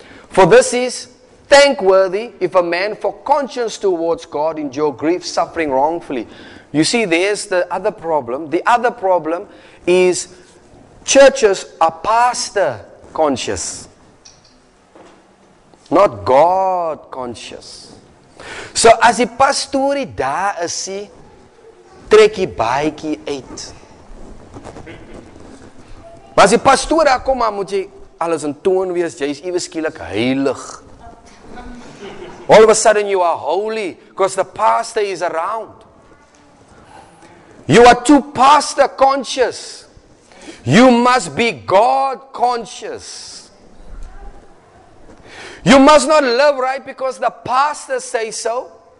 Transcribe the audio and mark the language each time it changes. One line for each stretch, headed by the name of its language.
English: For this is thankworthy if a man for conscience towards God endure grief, suffering wrongfully. You see, there's the other problem. The other problem is churches are pastor conscious. Not God conscious.
Afrikaans: So as die pastorie daar is, trek die baadjie uit. Maar as die pastoor daar kom, moet jy alles in toon wees, jy is ewe skielik heilig.
English: All of a sudden you are holy, because the pastor is around. You are too pastor conscious. You must be God conscious. You must not live right because the pastor says so.